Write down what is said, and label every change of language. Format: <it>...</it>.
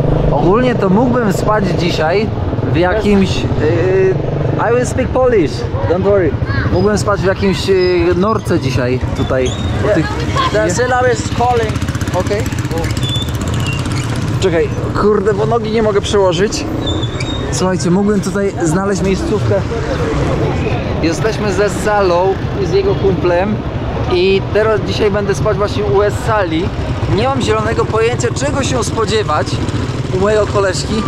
<pl>Ogólnie to mógłbym spać dzisiaj w jakimś...</pl> <en>I will speak Polish, don't worry.</en> <pl>Mógłbym spać w jakimś norce dzisiaj tutaj.</pl> <en>Yeah. The cellar is calling, okay? Oh.</en> <pl>Czekaj, kurde, bo nogi nie mogę przełożyć. Słuchajcie, mógłbym tutaj znaleźć miejscówkę. Jesteśmy ze Salą i z jego kumplem. I teraz dzisiaj będę spać właśnie u Sali. Nie mam zielonego pojęcia, czego się spodziewać. U mojego koleżki.</pl>